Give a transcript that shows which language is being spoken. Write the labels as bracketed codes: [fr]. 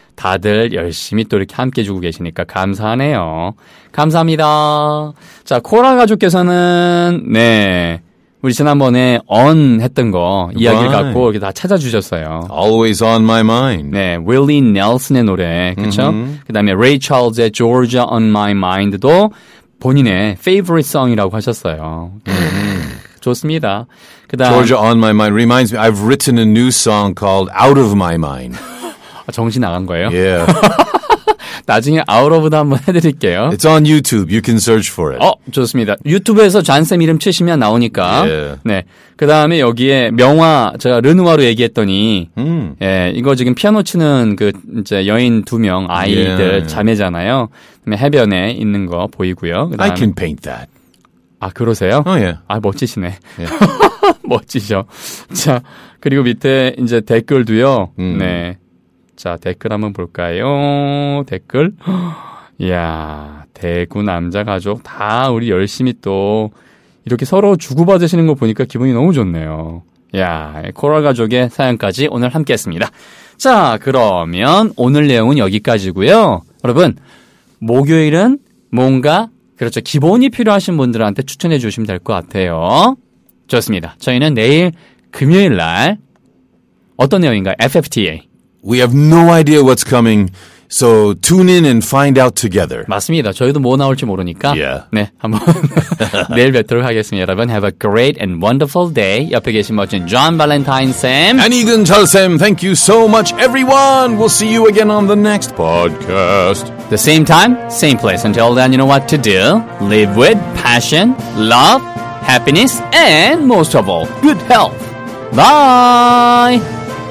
[ko] 다들 열심히 또 이렇게 함께 주고 계시니까 감사하네요. 감사합니다. 자, 코라 가족께서는, 네. 우리 지난번에 on 했던 거 이야기를 right. 갖고 이렇게 다 찾아주셨어요. Always on my mind. 네, Willie Nelson의 노래, 그렇죠? 그다음에 Ray Charles의 Georgia on my mind도 본인의 favorite song이라고 하셨어요. 좋습니다. 그다음 [en] Georgia on my mind reminds me I've written a new song called Out of My Mind. [ko] 아, 정신 나간 거예요? [en] Yeah. [ko] 나중에 out of도 한번 해드릴게요. [en] It's on YouTube. You can search for it. [ko] 좋습니다. 유튜브에서 잔쌤 이름 치시면 나오니까. Yeah. 네. 그 다음에 여기에 명화, 제가 르누아로 얘기했더니, 예, 이거 지금 피아노 치는 그 이제 여인 두 명, 아이들, yeah. 자매잖아요. 해변에 있는 거 보이고요. [en] 그다음에, I can paint that. [ko] 아, 그러세요? [en] Oh, yeah. [ko] 아, 멋지시네. Yeah. 멋지죠. 자, 그리고 밑에 이제 댓글도요. 네. 자, 댓글 한번 볼까요? 댓글. 이야, 대구 남자 가족 다 우리 열심히 또 이렇게 서로 주고받으시는 거 보니까 기분이 너무 좋네요. 이야, 코랄 가족의 사연까지 오늘 함께했습니다. 자, 그러면 오늘 내용은 여기까지고요. 여러분, 목요일은 뭔가 그렇죠, 기본이 필요하신 분들한테 추천해 주시면 될 것 같아요. 좋습니다. 저희는 내일 금요일날 어떤 내용인가요? FFTA. [en] We have no idea what's coming. So tune in and find out together. [ko] 맞습니다. 저희도 뭐 나올지 모르니까. [en] Yeah. [ko] 네, 한번 내일 뵙도록 하겠습니다. 여러분, [en] have a great and wonderful day. [ko] 옆에 계신 멋진 John Valentine 쌤. [en] And 이근철 쌤, thank you so much, everyone. We'll see you again on the next podcast. The same time, same place. Until then, you know what to do. Live with passion, love, happiness, and most of all, good health. Bye!